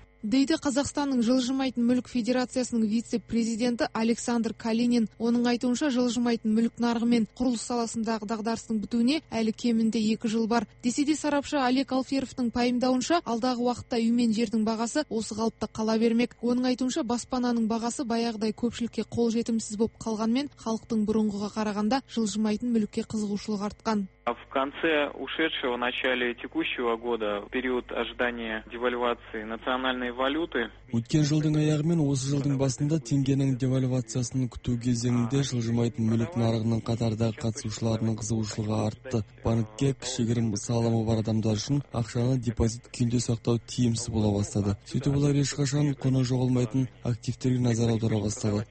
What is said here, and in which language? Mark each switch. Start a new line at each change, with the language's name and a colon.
Kazakh: Дейді Қазақстанның жылжымайтын мүлік федерациясының вице-президенті Александр Калинин. Оның айтуынша жылжымайтын мүлік нарығы мен құрылыс саласындағы дағдарыстың бітуіне әлі кемінде 2 жыл бар. Десе де сарапшы Олег Алферовтың пайымдауынша алдағы уақытта үй мен жердің бағасы осы қалыпта қала бермек. Оның айтуынша баспананың бағасы баяғыдай көпшілікке қол жетімсіз болып қалғанмен халықтың бұрынғыға қарағанда жылжымайтын мүлікке қызығушылық артқан.
Russian: В конце ушедшего, начале текущего года, период ожидания девальвации национальной валюты.
Kazakh: Өткен жылдың аяғы мен осы жылдың басында теңгенің девальвациясын күту кезеңінде жылжымайтын мүлік нарығының қатардағы қатысушыларының қызығушылығы артты. Банкке кішігірім салымы бар адамдар үшін ақшаны депозит күйінде сақтау тиімсіз бола бастады. Сөйтіп олар ешқашан құны жоғалмайтын активтерге назар аудара бастады.